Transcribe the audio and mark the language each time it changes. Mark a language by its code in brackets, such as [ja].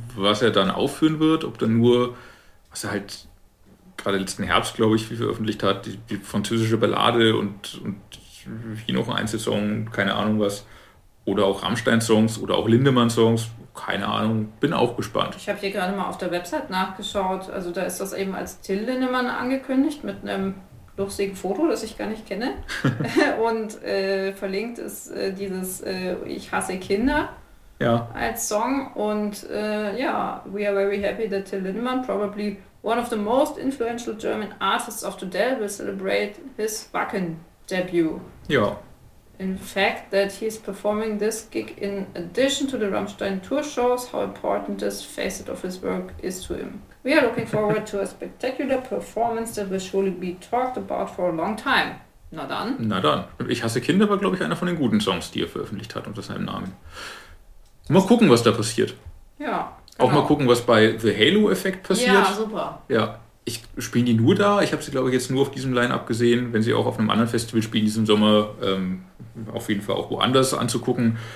[de] Was er dann aufführen wird, ob dann nur, was er halt gerade letzten Herbst, glaube ich, wie veröffentlicht hat, die französische Ballade und hier noch ein Einzelsong, keine Ahnung was, oder auch Rammstein-Songs oder auch Lindemann-Songs, keine Ahnung, bin auch gespannt. Ich habe hier gerade mal auf der Website nachgeschaut, also da ist das eben als Till Lindemann angekündigt mit einem lustigen Foto, das ich gar nicht kenne. Und verlinkt ist dieses Ich hasse Kinder, ja, als Song. Und ja, [en] we are very happy that Till Lindemann, probably one of the most influential German artists of today, will celebrate his Wacken debut. [de] Ja. [en] In fact that he is performing this gig in addition to the Rammstein tour shows, how important this facet of his work is to him. We are looking forward to a spectacular performance that will surely be talked about for a long time. [de] Na dann. Ich hasse Kinder war, glaube ich, einer von den guten Songs, die er veröffentlicht hat unter seinem Namen. Mal gucken, was da passiert. Ja. Genau. Auch mal gucken, was bei The Halo Effect passiert. Ja, super. Ja. Ich spiele die nur da. Ich habe sie, glaube ich, jetzt nur auf diesem Line-Up gesehen. Wenn sie auch auf einem anderen Festival spielen diesen Sommer, auf jeden Fall auch woanders anzugucken.